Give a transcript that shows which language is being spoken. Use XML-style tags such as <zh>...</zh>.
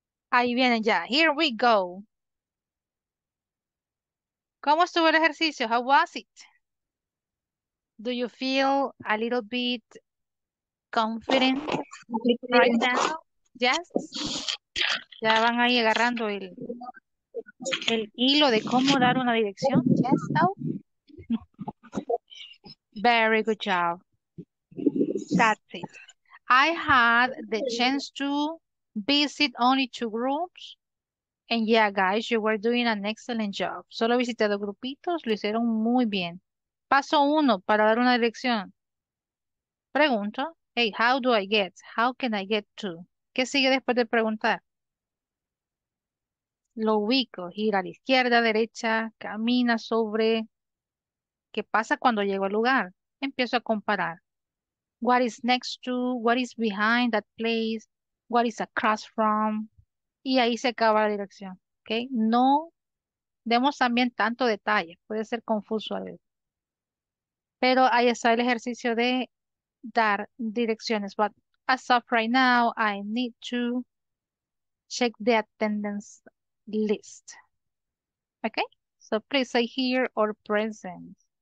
<es>Ahí vienen ya.</es> <en>Here we go.</en> <es>¿Cómo estuvo el ejercicio?</es> <en>How was it? Do you feel a little bit confident right now? Yes.</en> <es>Ya van ahí agarrando el hilo de cómo dar una dirección.</es> <en>Yes, now. Very good job. That's it. I had the chance to visit only two groups. And yeah, guys, you were doing an excellent job.</en> <es>Solo visité dos grupitos, lo hicieron muy bien. Paso uno para dar una dirección. Pregunto,</es> <en>hey, how do I get? How can I get to?</en> <es>¿Qué sigue después de preguntar? Lo ubico, gira a la izquierda, derecha, camina sobre. ¿Qué pasa cuando llego al lugar? Empiezo a comparar.</es> <en>What is next to? What is behind that place? What is across from?</en> <es>Y ahí se acaba la dirección, ¿ok? No demos también tanto detalle, puede ser confuso a veces. Pero ahí está el ejercicio de dar direcciones.</es> <en>But as of right now, I need to check the attendance list, ¿ok? So please say here or present.</en>